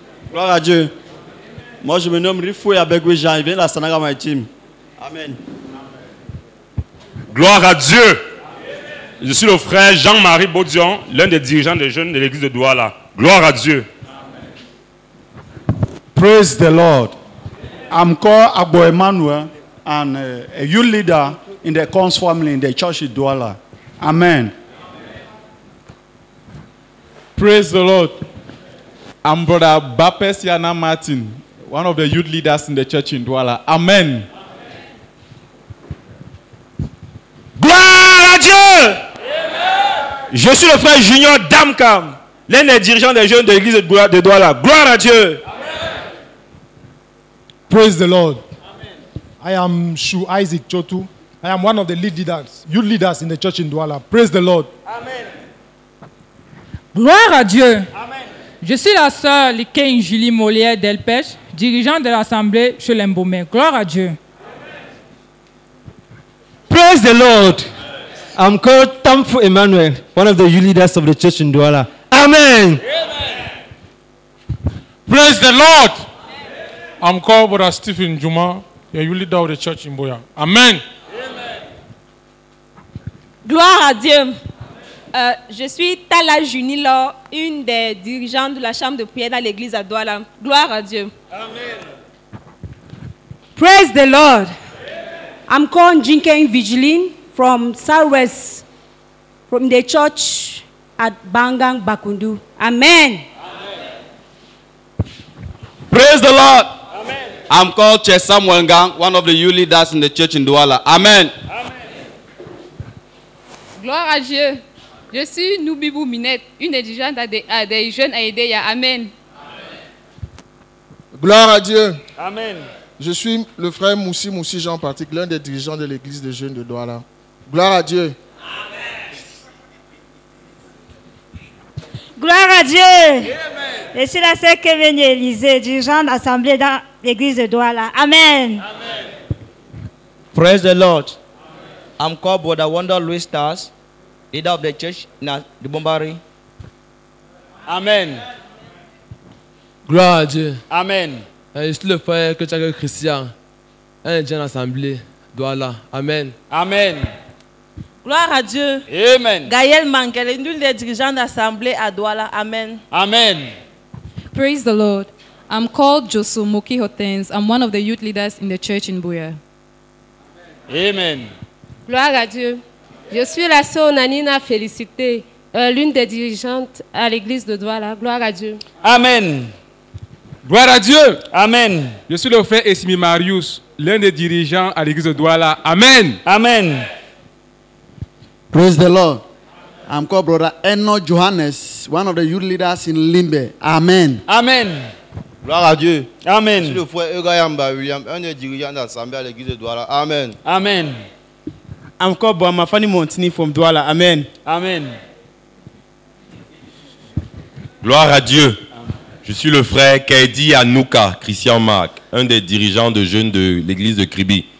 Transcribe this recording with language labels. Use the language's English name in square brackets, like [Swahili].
[French] Gloire à Dieu. Moi, je me nomme Rifou et Abegwe Jean. Je viens de la Sanaga Maritime. Amen. Gloire à Dieu. Je suis le frère Jean-Marie Baudion, l'un des dirigeants des jeunes de l'église de Douala. Gloire à Dieu. [English] Amen. Praise the Lord. I'm called Abo Emmanuel, and a youth leader in the Cons family in the church of Douala. Amen. Praise the Lord. I'm Brother Bapes Yana Martin, one of the youth leaders in the church in Douala. Amen. [French] Gloire à Dieu! Je suis le frère Junior Damkam, l'un des dirigeants des jeunes de l'église de Douala. Gloire à Dieu. [English] Amen. Praise the Lord. Amen. I am Shu Isaac Chotu. I am one of the lead leaders, youth leaders in the church in Douala. Praise the Lord. [French] Amen. Gloire à Dieu. Amen. Je suis la sœur Liken Julie Molière Delpech, dirigeante de l'assemblée chez l'Embaumé. Gloire à Dieu. [English] Amen. Praise the Lord. I'm called Tamfu Emmanuel, one of the youth leaders of the church in Douala. Amen. Praise the Lord. Amen. I'm called Brother Stephen Juma, a youth leader of the church in Boya. Amen. [French] Gloire à Dieu. Je suis Tala Junilo, une des dirigeantes de la chambre de prière dans l'église à Douala. Gloire à Dieu. [English] Amen. Praise the Lord. Amen. I'm called Jinken Vigiline. From Southwest, from the church at Bangang Bakundu. Amen. Amen. Praise the Lord. Amen. I'm called Chesam Wengang, one of the youth leaders in the church in Douala. Amen. Amen. [French] Gloire à Dieu. Je suis Noubibou Minette, une étudiante des jeunes à aider. Amen. Amen. Gloire à Dieu. Amen. Je suis le frère Moussi Moussi Jean Patrick, l'un des dirigeants de l'église des jeunes de Douala. Gloire à Dieu. Amen. Gloire à Dieu. Amen. Et c'est la sœur Kevin Élisée, dirigeante d'assemblée dans l'église de Douala. Amen. Amen. [English] Praise the Lord. Amen. I'm called Brother Wonder Louis Stars, leader of the church in the Bombari. Amen. [French] Gloire à Dieu. Amen. Je suis le frère que tu as Christian, un dirigeant d'assemblée Douala. Amen. Amen. Gloire à Dieu. Amen. Gaël Mangel, l'une des dirigeants d'assemblée à Douala. Amen. Amen. [English] Praise the Lord. I'm called Josu Moki Hotens. I'm one of the youth leaders in the church in Buya. Amen. [French] Gloire à Dieu. Je suis la sœur Nanina Félicité, l'une des dirigeantes à l'église de Douala. Gloire à Dieu. Amen. Gloire à Dieu. Amen. Je suis le frère Esimi Marius, l'un des dirigeants à l'église de Douala. Amen. Amen. [English] Praise the Lord. I'm called Brother Enno Johannes, one of the youth leaders in Limbe. Amen. Amen. [French] Gloire à Dieu. Amen. Je suis le frère Egayamba William, un des dirigeants d'assemblée à l'église de Douala. Amen. Amen. [English] I'm called Boama Fani Montini from Douala. Amen. Amen. [French] Gloire à Dieu. Je suis le frère Kaidi Anouka Christian Marc, un des dirigeants de jeunes de l'église de Kribi.